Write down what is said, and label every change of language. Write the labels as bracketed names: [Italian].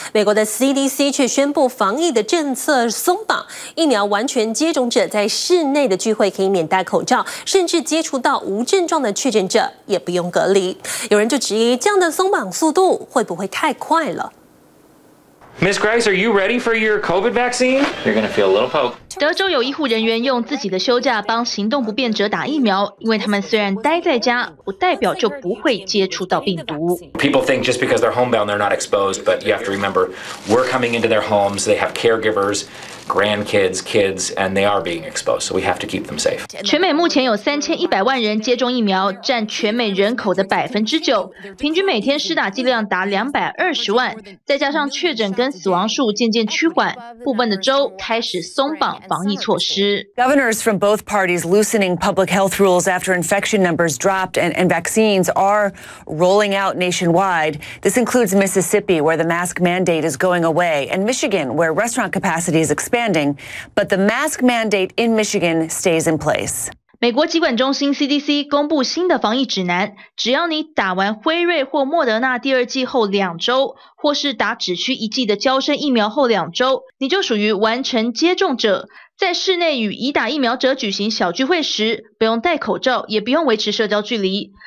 [Chinese] 美国的 CDC 却宣布防疫的政策松绑，疫苗完全接种者在室内的聚会可以免戴口罩，甚至接触到无症状的确诊者也不用隔离。有人就质疑，这样的松绑速度会不会太快了？ [English] Ms. Grice, are you ready for your COVID vaccine? You're going to feel a little poke. [Chinese] 德州有医护人员用自己的休假帮行动不便者打疫苗，因为他们虽然待在家，不代表就不会接触到病毒。 [English] People think just because they're homebound they're not exposed, but you have to remember we're coming into their homes, they have caregivers, grandkids, kids, and they are being exposed, so we have to keep them safe. [Chinese] 全美目前有3100万人接种疫苗，占全美人口的9%，平均每天施打剂量达220万，再加上确诊跟死亡数渐渐趋缓，部分的州开始松绑。 [English] Governors from both parties loosening public health rules after infection numbers dropped and vaccines are rolling out nationwide. This includes Mississippi, where the mask mandate is going away, and Michigan, where restaurant capacity is expanding. But the mask mandate in Michigan stays in place. [Chinese] 美国疾管中心 CDC 公布新的防疫指南，只要你打完辉瑞或莫德纳第二剂后2周，或是打只需1剂的胶身疫苗后2周，你就属于完成接种者。在室内与已打疫苗者举行小聚会时，不用戴口罩，也不用维持社交距离。